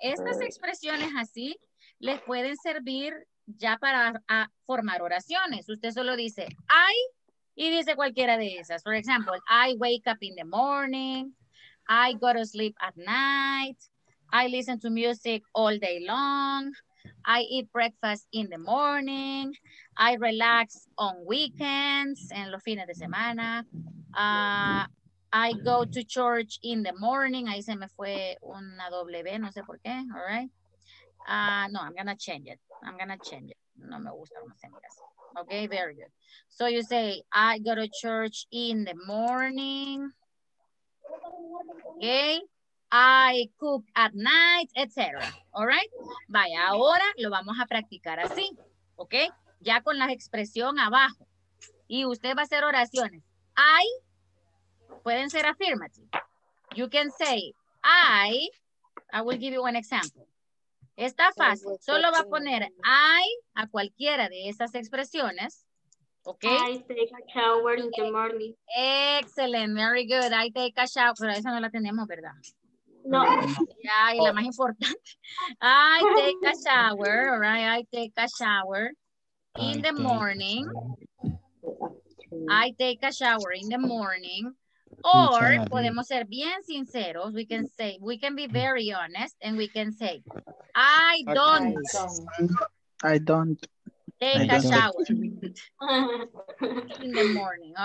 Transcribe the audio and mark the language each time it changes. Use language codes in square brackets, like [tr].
[es] Estas expresiones así les pueden servir ya para a formar oraciones. Usted solo dice, I, y dice cualquiera de esas. [en] For example, I wake up in the morning. I go to sleep at night. I listen to music all day long. I eat breakfast in the morning. I relax on weekends, [es] en los fines de semana. [en] I go to church in the morning. [es] Ahí se me fue una W, no sé por qué. [en] All right. No, I'm going to change it. I'm going to change it. [es] No me gusta cómo se mira así. [en] Okay, very good. So you say, I go to church in the morning. Okay. I cook at night, etc. All right. [es] Vaya, ahora lo vamos a practicar así. Okay. Ya con la expresión abajo. Y usted va a hacer oraciones. I, pueden ser affirmative. [en] You can say, I will give you an example. [es] Está fácil, solo va a poner I a cualquiera de esas expresiones, ¿ok? [en] I take a shower in the morning. Excellent, very good, I take a shower, [es] pero esa no la tenemos, ¿verdad? No. [en] Yeah, [es] y la más importante, [en] I take a shower, all right, I take a shower in the morning, I take a shower in the morning, or [es] podemos ser bien sinceros, [en] we can say, we can be very honest, and we can say, I don't take a shower in the morning.